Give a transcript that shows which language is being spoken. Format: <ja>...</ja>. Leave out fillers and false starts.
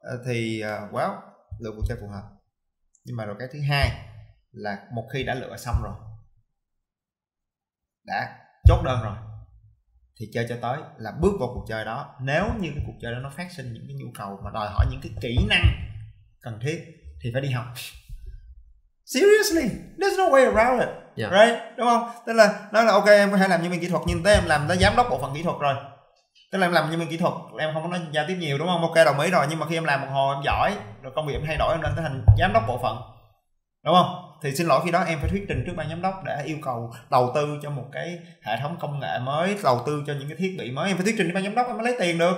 <vi>Thì well, lựa cuộc chơi phù hợp. Nhưng mà rồi cái thứ hai là một khi đã lựa xong rồi, đã chốt đơn rồi, thì chơi cho tới là bước vào cuộc chơi đó. Nếu như cái cuộc chơi đó nó phát sinh những cái nhu cầu mà đòi hỏi những cái kỹ năng cần thiết thì phải đi học.</vi> <en>Seriously, there's no way around it. Yeah. Right?</en> <vi>Đúng không? Tức là nói là ok em có thể làm nhân viên kỹ thuật, nhưng tới em làm tới giám đốc bộ phận kỹ thuật rồi. Tức là em làm nhân viên kỹ thuật, em không có nói giao tiếp nhiều đúng không? Ok đồng ý rồi, nhưng mà khi em làm một hồi em giỏi, rồi công việc em thay đổi, em lên tới thành giám đốc bộ phận. Đúng không? Thì xin lỗi, khi đó em phải thuyết trình trước ban giám đốc để yêu cầu đầu tư cho một cái hệ thống công nghệ mới, đầu tư cho những cái thiết bị mới. Em phải thuyết trình với ban giám đốc em mới lấy tiền được.</vi>